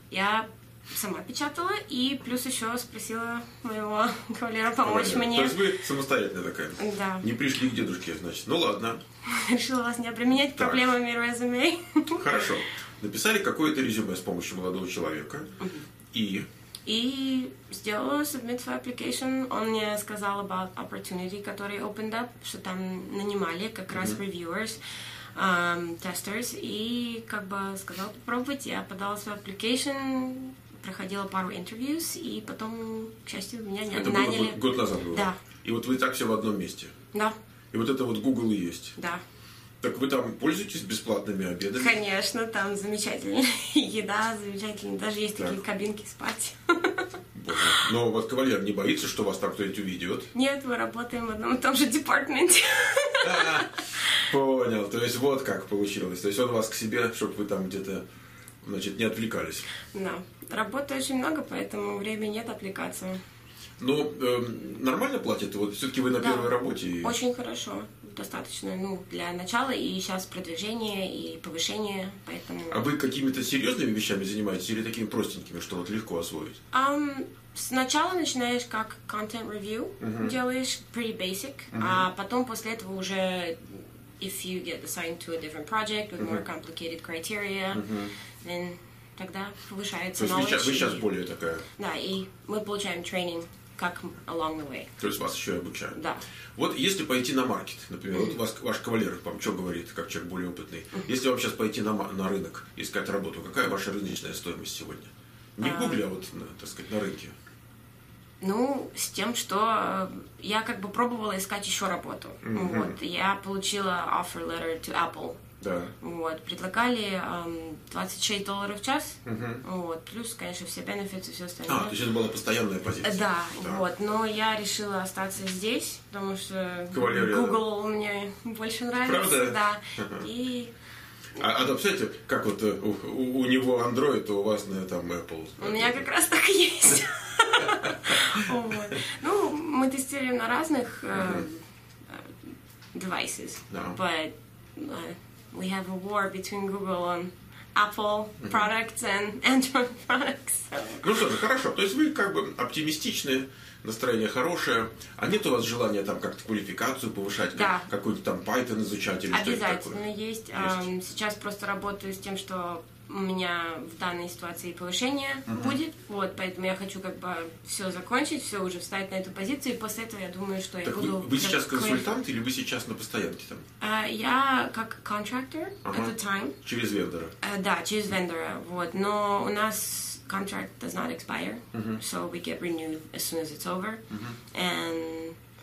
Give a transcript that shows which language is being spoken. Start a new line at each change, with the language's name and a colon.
Russian: Я сама печатала и плюс еще спросила моего кавалера помочь мне. То есть вы самостоятельная такая? Да. Не пришли к дедушке, значит. Ну ладно. Решила вас не обременять проблемами резюме. Хорошо. Написали какое-то резюме с помощью молодого человека, и сделала
English: submit for application.
Russian: Он мне сказал
English: about opportunity,
Russian: который
English: opened up,
Russian: что там нанимали как раз
English: reviewers, testers,
Russian: и как бы сказал попробовать. Я подала свой application, проходила пару interviews, и потом, к счастью, меня не наняли. Это было год назад было? Да. И вот вы так все в одном месте? Да. И вот это вот Google и есть? Да. Так вы там пользуетесь бесплатными обедами? Конечно, там замечательная еда, замечательная. Даже есть такие кабинки спать. Боже. Но вот кавалер не боится, что вас там кто-нибудь увидит? Нет, мы работаем в одном и том же департаменте. Понял. То есть вот как получилось. То есть он вас к себе, чтобы вы там где-то, значит, не отвлекались. Да. Работы очень много, поэтому времени нет отвлекаться. Ну, нормально платят? Вот все-таки вы на первой работе. Очень хорошо. Достаточно, ну, для начала и сейчас продвижение и повышение, поэтому... А вы какими-то серьезными вещами занимаетесь или такими простенькими, что вот легко освоить? Сначала начинаешь как
English: content review,
Russian: делаешь
English: pretty basic,
Russian: а потом после этого уже
English: if you get assigned to a different project with more complicated criteria, then
Russian: тогда повышается
English: knowledge.
Russian: То есть вы сейчас более такая... Да, и мы получаем training. Как
English: along the way.
Russian: То есть вас еще и обучают. Да. Вот если пойти на маркет, например, вот вас, ваш кавалер вам что говорит, как человек более опытный, если вам сейчас пойти на рынок искать работу, какая ваша рыночная стоимость сегодня? Не в гугле, а вот, так сказать, на рынке. Ну, с тем, что я как бы пробовала искать еще работу. Вот, я получила
English: offer letter to Apple.
Russian: Да. Вот, предлагали $26 в час, вот, плюс, конечно, все benefits и все остальное. А, то есть это была постоянная позиция. Да, вот, но я решила остаться здесь, потому что Кавалерия, Google мне больше нравится. Правда? Да. А то, представляете, как вот у него Android, а у вас, наверное, там Apple. У меня как раз так и есть. Ну, мы тестируем на разных
English: devices, but... We have a war between Google and Apple products and Android products.
Russian: Ну что же, хорошо. То есть вы как бы оптимистичны, настроение хорошее. А нет у вас желания там как-то квалификацию повышать? Да. Какой-нибудь там Python изучать или что-то такое? Обязательно есть. Сейчас просто работаю с тем, что у меня в данной ситуации повышение будет. Вот, поэтому я хочу как бы все закончить, все уже встать на эту позицию. И после этого я думаю, что так я буду... Вы сейчас консультант или вы сейчас на постоянке там? Я как
English: contractor at the time.
Russian: Через вендора? Да, через вендора. Вот. Но у нас
English: contract does not expire. So we get renewed as soon as it's over. And...